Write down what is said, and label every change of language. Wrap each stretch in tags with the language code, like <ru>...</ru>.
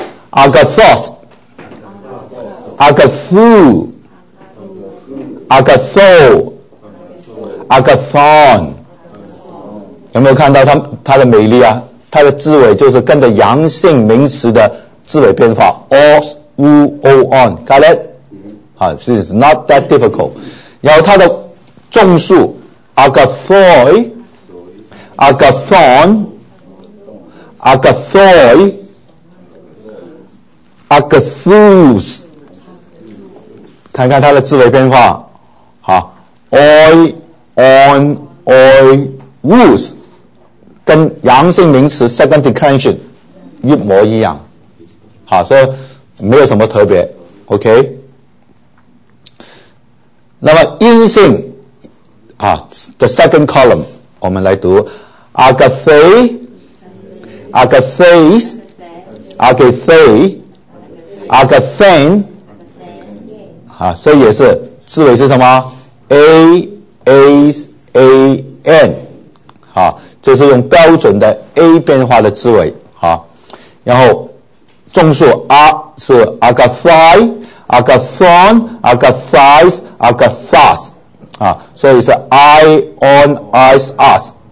<el>Agathos, Agathu, Agatho.</el> <zh>Agathon， 有没有看到它的美丽啊？它的字尾就是跟着阳性名词的字尾变化 ，o-u-o-on， got it？</zh> <en>啊、it's not that difficult。</en> <zh>然后它的众数 ，Agathoi， Agathon， Agathoi， Agathus， 看看它的字尾变化，好 ，oi。 on, oi, woos 跟阳性名词 second declension 一模一样，好，所以没有什么特别 ，OK。那么阴性啊 ，the second column 我们来读 ，agathai, agathais, agathai, agathain，啊，所以也是字尾是什么 ？a a a n， 好，就是用标准的 a 变化的字尾，好，然后众数 a 是 agathai, agathon, agathais, agathas， 啊，所以是 i on i us，</zh>